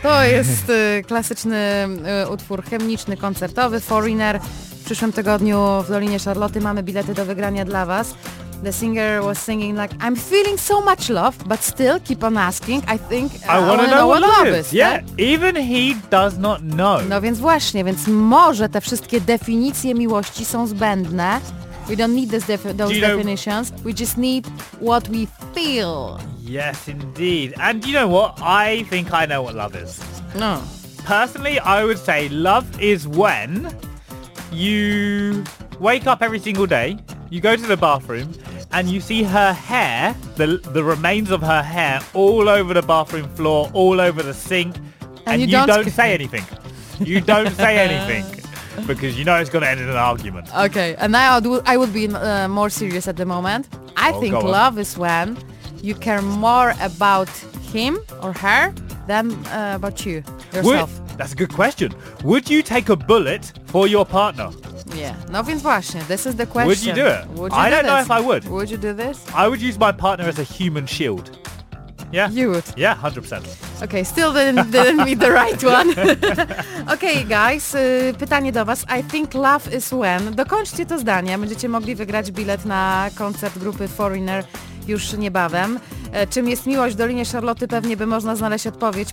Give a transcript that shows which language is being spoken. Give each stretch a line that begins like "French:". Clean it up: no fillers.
Polish: To jest klasyczny utwór chemiczny, koncertowy, Foreigner. W przyszłym tygodniu w Dolinie Szarloty mamy bilety do wygrania dla Was.
English: The singer was singing like, I'm feeling so much love, but still keep on asking. I think I wanna know what love is. Yeah, tak? Even he does not know.
Polish: No więc właśnie, więc może te wszystkie definicje miłości są zbędne.
English: We don't need those definitions. We just need what we feel. Yes, indeed. And you know what? I think I know what love is. No. Personally, I would say love is when you wake up every single day, you go to the bathroom, and you see her hair, the remains of her hair, all over the bathroom floor, all over the sink, and you don't say anything. You don't say anything. Because you know it's going to end in an argument. Okay, and now I would be more serious at the moment. I think love is when you care more about him or her than about you, yourself. That's a good question. Would you take a bullet for your partner? Yeah,
Polish: no więc właśnie,
English: this is the question. Would you do it? I don't know if I would. Would you do this? I would use my partner as a human shield. Yeah. You would. Yeah, 100%. Okay, still didn't meet the right one. Okay, guys,
Polish: pytanie do Was.
English: I think love is when.
Polish: Dokończcie to zdanie, będziecie mogli wygrać bilet na koncert grupy Foreigner już niebawem. Czym jest miłość w Dolinie Szarloty? Pewnie by można znaleźć odpowiedź.